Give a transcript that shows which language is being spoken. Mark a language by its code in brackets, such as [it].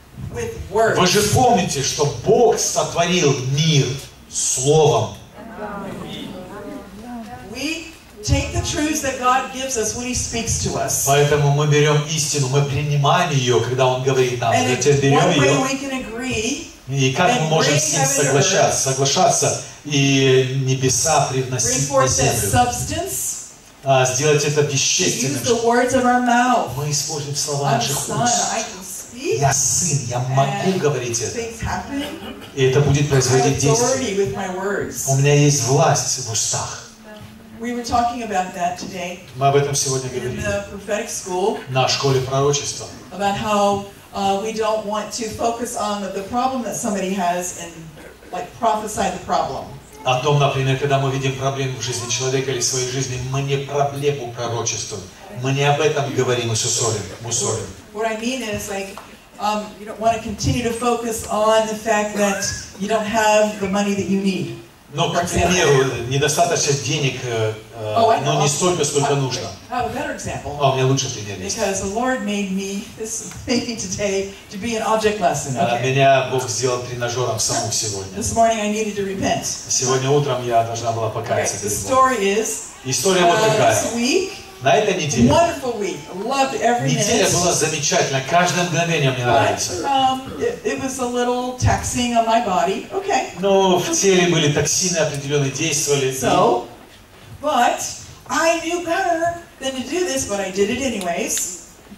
[ru] Вы же помните, что Бог сотворил мир словом. [en] Take the truths that God gives us when He speaks to us. [ru] Поэтому мы берем истину, мы принимаем ее, когда Он говорит нам. [en] And [ru] затем берем ее. [en] One way we can agree. [ru] И как мы можем с ним соглашаться и небеса привносить на землю. [en] Reinforce that substance. [ru] Сделать это вещественным. [en] Use the words of our mouth. [ru] Мы используем слова наших уст. Я сын, я могу [en] and [ru] говорить это. И это будет производить действие. У меня есть власть в устах. [en] We were talking about that today. [ru] Мы об этом сегодня говорили. [en] In the prophetic school. [ru] На школе пророчества. [en] About how we don't want to focus on the problem that somebody has and like prophesy the problem. [ru] О том, например, когда мы видим проблему в жизни человека или в своей жизни, мы не проблему пророчествуем. Мы не об этом говорим и мусолим. [en] What I mean is like you don't want to continue to focus on the fact that you don't have the money that you need. [ru] Но, к примеру, недостаточно денег, но не столько, сколько нужно. А у меня лучший пример есть. [en] Because the Lord made me today to be an object lesson. [ru] Меня Бог сделал тренажером саму сегодня. [en] This morning I needed to repent. [ru] Сегодня утром я должна была покаяться. [en] The story is. [ru] История вот такая. На этой неделе. [en] Wonderful week. Loved every minute. [ru] Неделя была замечательная. Каждое мгновение мне нравится. [en] It was a little taxing on my body. Okay. [ru] Но в теле были токсины определенные действовали. [en] So, but I knew better than to do this, but I did it anyways.